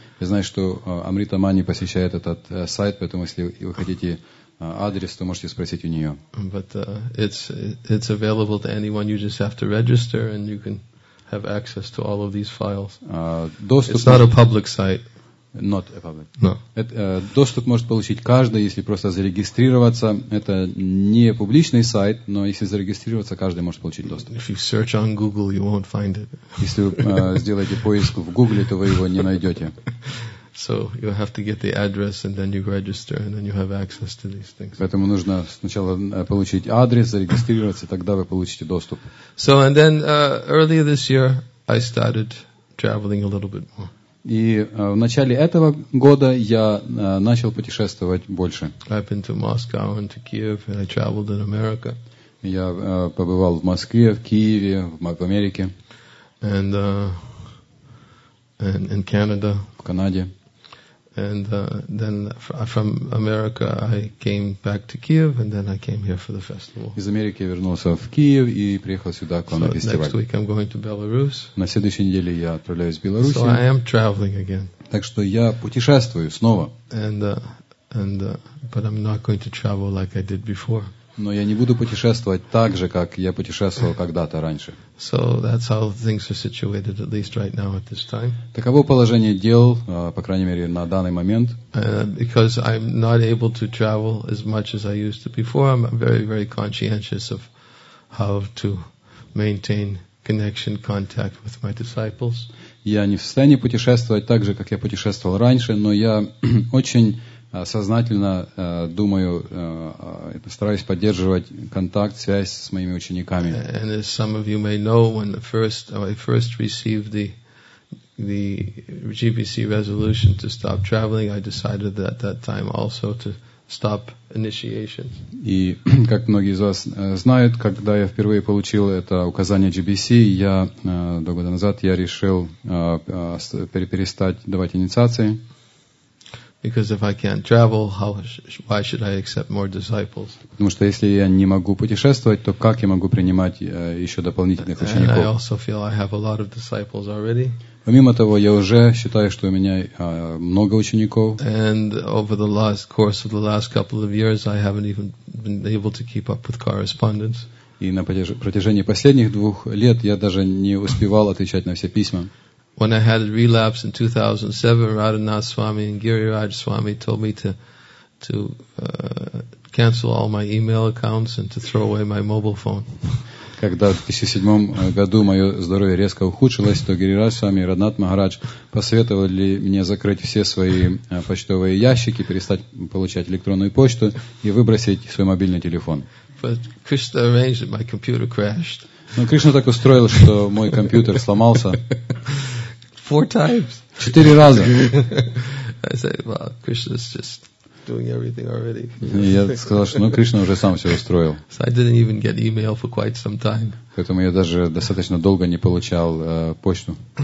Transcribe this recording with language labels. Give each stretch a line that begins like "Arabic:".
Russian: Я знаю, что Амрита Мани посещает этот сайт, поэтому если вы хотите адрес, то можете спросить у нее.
English: But it's available to anyone. You just have to register, and you can have access to all of these files.
Russian: Доступ.
English: It's not a public site. Not a public. No.
Russian: Доступ может получить каждый, если просто зарегистрироваться. Это не публичный сайт, но если зарегистрироваться, каждый может получить доступ.
English: If you search on Google, you won't find it.
Russian: Если вы сделаете поиск в Гугле, то вы его не найдете.
English: So you have to get the address, and then you register, and then you have access to these things.
Russian: Поэтому нужно сначала получить адрес, зарегистрироваться, тогда вы получите доступ.
English: So and then earlier this year, I started traveling a little bit more.
Russian: И в начале этого года я начал путешествовать больше.
English: I've been to Moscow and to Kiev, and I traveled in America.
Russian: Я побывал в Москве, в Киеве, в Америке.
English: And in Canada.
Russian: В Канаде.
English: And then from America I came back to Kiev and then I came here for the festival.
Russian: Из Америки я вернулся в Киев и приехал сюда к вам на фестиваль.
English: Next week I'm going to Belarus.
Russian: На следующей неделе я отправляюсь в Беларусь.
English: So I am traveling again.
Russian: Так что я путешествую снова.
English: But I'm not going to travel like I did before.
Russian: Но я не буду путешествовать так же, как я путешествовал когда-то раньше.
English: So that's how things are situated, at least right now at this time.
Russian: Таково положение дел, по крайней мере, на данный момент.
English: Because I'm not able to travel as much as I used to before, I'm very, very conscientious of how to maintain connection, contact with my disciples.
Russian: Я не в состоянии путешествовать так же, как я путешествовал раньше, но я очень сознательно думаю, стараюсь поддерживать контакт, связь с моими учениками.
English: And as some of you may know, when I first received the GBC resolution to stop traveling, I decided at that time also to stop initiation.
Russian: И как многие из вас знают, когда я впервые получил это указание GBC, я два года назад я решил перестать давать инициации.
English: Because if I can't travel, why should I accept more disciples?
Russian: Потому что если я не могу путешествовать, то как я могу принимать еще дополнительных учеников?
English: And I also feel I have a lot of disciples already.
Russian: Помимо того, я уже считаю, что у меня много учеников.
English: And over the last course of the last couple of years, I haven't even been able to keep up with correspondence.
Russian: И на протяжении последних двух лет я даже не успевал отвечать на все письма.
English: When I had a relapse in 2007, Radhanath Swami and Giriraj Swami told me to cancel all my email accounts and to throw away my mobile phone.
Russian: Когда в 2007 году мое здоровье резко ухудшилось, то Гирирадж Свами и Радханат Махарадж посоветовали мне закрыть все свои почтовые ящики, перестать получать электронную почту и выбросить свой мобильный телефон.
English: But Krishna arranged that my computer crashed.
Russian: Но Кришна так устроил, что мой компьютер сломался.
English: Four times.
Russian: Четыре раза.
English: I said, well, Krishna's just doing everything already.
Russian: Я сказал, что Кришна уже сам все устроил.
English: So I didn't even get email for quite some time.
Russian: Поэтому я даже достаточно долго не получал почту.